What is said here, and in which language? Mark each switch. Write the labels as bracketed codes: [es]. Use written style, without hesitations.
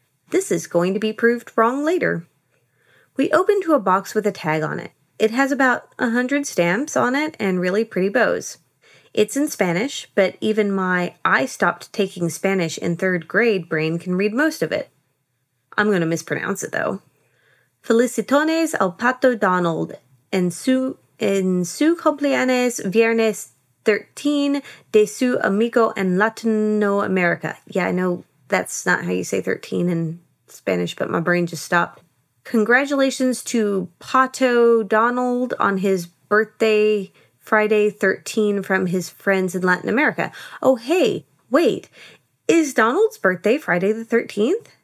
[en] This is going to be proved wrong later. We open to a box with a tag on it. It has about 100 stamps on it and really pretty bows. It's in Spanish, but even my I stopped taking Spanish in third grade brain can read most of it. I'm going to mispronounce it, though. [es] Felicitones al Pato Donald en su cumpleaños viernes 13 de su amigo en Latino America. [en] Yeah, I know that's not how you say 13 in Spanish, but my brain just stopped. Congratulations to Pato Donald on his birthday Friday 13 from his friends in Latin America. Oh, hey, wait, is Donald's birthday Friday the 13th?